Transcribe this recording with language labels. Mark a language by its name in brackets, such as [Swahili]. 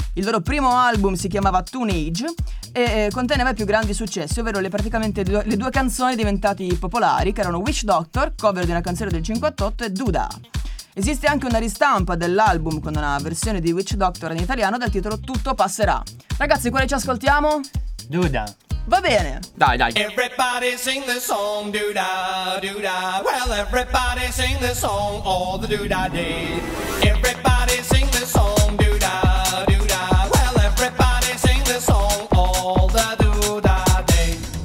[Italian] Il loro primo album si chiamava Toonage e conteneva i più grandi successi, ovvero le due canzoni diventate popolari, che erano Witch Doctor, cover di una canzone del 58, e Duda. Esiste anche una ristampa dell'album con una versione di Witch Doctor in italiano dal titolo Tutto passerà. Ragazzi, quale ci ascoltiamo? Duda. Va bene. Dai, dai. [English] Everybody sing the song, do da, do da. Well, everybody sing the song all the do da day. Everybody sing the song, do da, do da. Well, everybody sing the song all the do da day.